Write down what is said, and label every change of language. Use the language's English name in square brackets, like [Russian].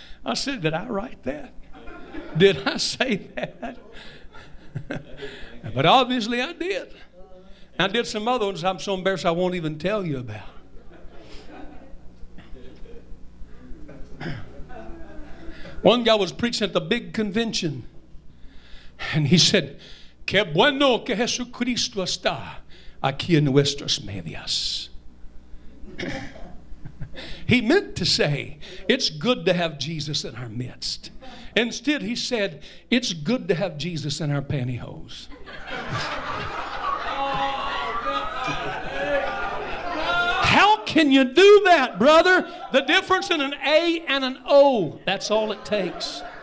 [English] I said, did I write that? Did I say that? But obviously I did. I did some other ones I'm so embarrassed I won't even tell you about. One guy was preaching at the big convention. And he said, [Spanish] Que bueno que Jesucristo está aquí en nuestros medios. [English] He meant to say, it's good to have Jesus in our midst. Instead, he said, it's good to have Jesus in our pantyhose. How can you do that, brother? The difference in an A and an O, that's all it takes.